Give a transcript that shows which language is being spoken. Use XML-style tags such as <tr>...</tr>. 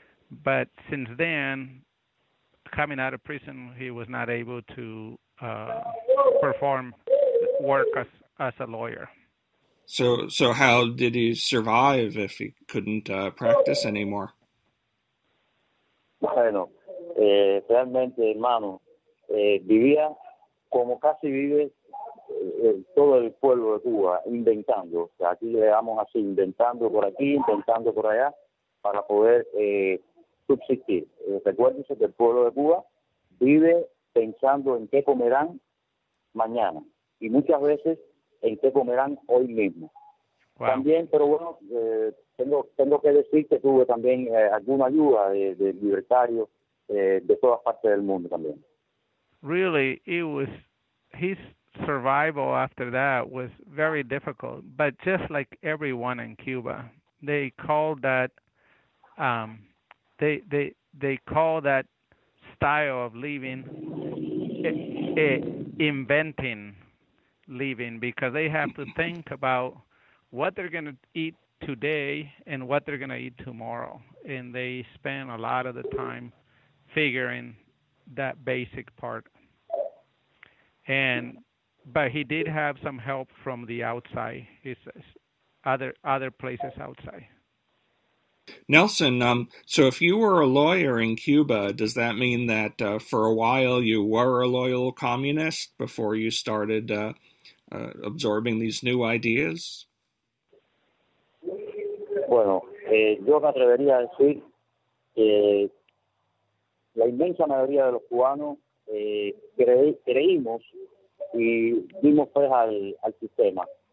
<en>But since then, coming out of prison, he was not able to perform work as a lawyer. So how did he survive if he couldn't practice anymore?</en> <es>Bueno, realmente, hermano, vivía como casi vive todo el pueblo de Cuba, inventando. O sea, aquí le damos así, inventando por aquí, inventando por allá, para poder subsistir. Recuérdense que el pueblo de Cuba vive pensando en qué comerán mañana y muchas veces en qué comerán hoy mismo.</es> <en>Wow.</en> <es>También, pero bueno, tengo que decir que tuve también alguna ayuda de libertarios de todas partes del mundo también.</es> <en>Really, it was his survival after that was very difficult, but just like everyone in Cuba, they called that they call that style of living inventing living, because they have to think about what they're going to eat today and what they're going to eat tomorrow. And they spend a lot of the time figuring that basic part. But he did have some help from the outside, he says, other places outside. Nelson, so if you were a lawyer in Cuba, does that mean that for a while you were a loyal communist before you started absorbing these new ideas?</en> <es>Bueno, yo me atrevería a decir que la inmensa mayoría de los cubanos creímos y dimos fe al sistema.</es>